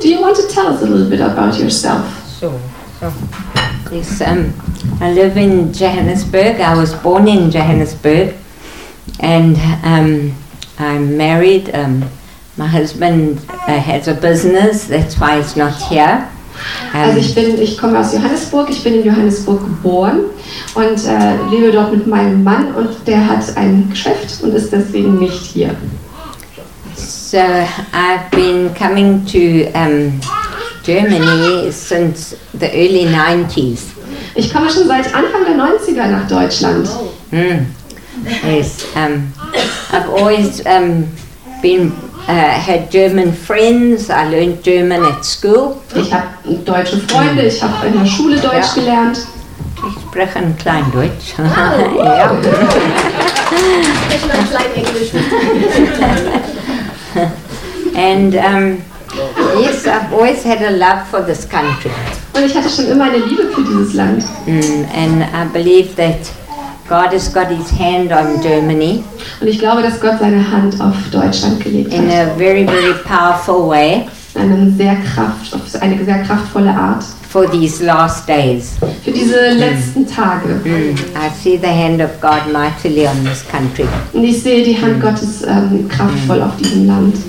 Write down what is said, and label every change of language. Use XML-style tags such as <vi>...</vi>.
<en>Do you want to tell us a little bit about yourself? Sure. Yes. I live in Johannesburg. I was born in Johannesburg, and I'm married. My husband has a business, that's why he's not here.</en> <de>Also ich komme aus Johannesburg, ich bin in Johannesburg geboren und lebe dort mit meinem Mann und der hat ein Geschäft und ist deswegen nicht hier.</de> <en>So I've been coming to Germany since the early 90s.</en> <de>Ich komme schon seit Anfang der 90er nach Deutschland.</de> <en>Yes, I've always been had German friends. I learned German at school.</en> <de>Ich habe deutsche Freunde. Ich habe in der Schule Deutsch gelernt. Ich spreche ein klein Deutsch. Oh, ja. Ich spreche ein klein Englisch.</de> <en>And yes, I've always had a love for this country.</en> <de>Und ich hatte schon immer eine Liebe für dieses Land.</de> <en>And I believe that God has got his hand on Germany.</en> <de>Und ich glaube, dass Gott seine Hand auf Deutschland gelegt hat.</de> <en>In a very, very powerful way.</en> <de>Eine sehr kraftvolle Art.</de> <en>For these last days.</en> <de>Für diese letzten Tage.</de> <en>I see the hand of God mightily on this country.</en> <de>Und ich sehe die Hand Gottes kraftvoll auf diesem Land.</de>